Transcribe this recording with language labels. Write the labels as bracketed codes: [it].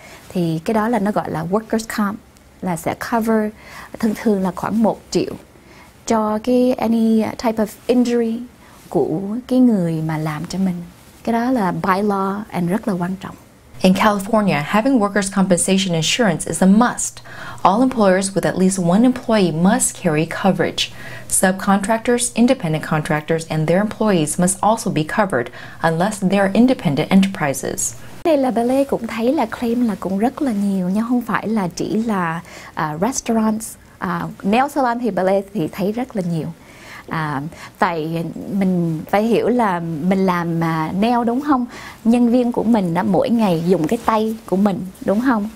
[vi] Thì cái đó là nó gọi là workers comp, là sẽ cover thường thường là khoảng 1 triệu cho cái [en] any type of injury [vi] của cái người mà làm cho mình. Cái đó là [en] by law [vi] and rất là quan trọng. [en] In California, having workers' compensation insurance is a must. All employers with at least one employee must carry coverage. Subcontractors, independent contractors, and their employees must also be covered unless they are independent enterprises. [vi] Đây là Belle cũng thấy là claim là cũng rất là nhiều nha, không phải là chỉ là restaurants, nail salon thì Belle thì thấy rất là nhiều. Tại mình phải hiểu là mình làm nail đúng không? Nhân viên của mình đã mỗi ngày dùng cái tay của mình đúng không?